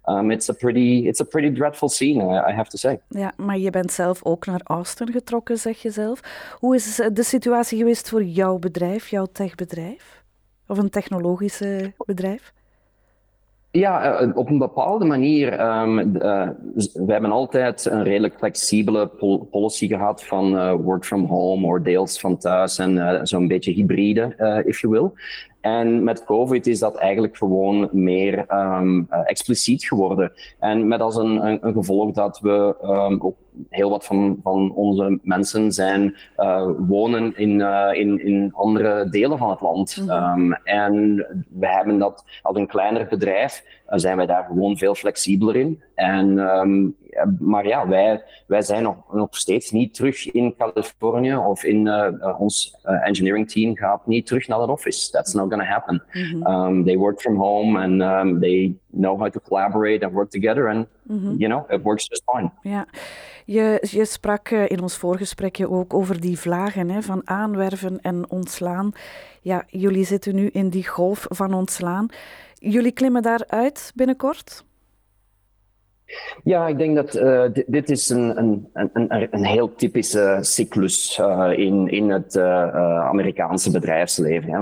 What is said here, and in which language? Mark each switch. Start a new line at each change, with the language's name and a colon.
English: It's a pretty dreadful scene, I have to say.
Dutch: Ja, maar je bent zelf ook naar Austin getrokken, zeg je zelf. Hoe is de situatie geweest voor jouw bedrijf, jouw techbedrijf? of een technologisch bedrijf? Ja, op een bepaalde manier. We hebben altijd een redelijk flexibele policy gehad van
English: work from home
Dutch: of deels van thuis en zo'n beetje hybride,
English: if you will.
Dutch: En met COVID is dat eigenlijk gewoon meer expliciet geworden. En met als een gevolg dat we ook heel wat van onze mensen zijn wonen in andere delen van het land. Mm-hmm. En we hebben dat als een kleiner bedrijf, zijn wij daar gewoon veel flexibeler in. En, maar ja, wij zijn nog steeds niet terug in Californië of in ons engineering team gaat niet terug naar het office.
English: That's not going to happen. Mm-hmm. They work from home and they know how to collaborate and work together. And, mm-hmm. you know, it works just fine.
Dutch: Ja. Je sprak in ons voorgesprekje ook over die vlagen, hè, van aanwerven en ontslaan. Ja, jullie zitten nu in die golf van ontslaan. Jullie klimmen daaruit binnenkort? Ja, ik denk dat dit is een heel typische cyclus in het Amerikaanse bedrijfsleven. Hè.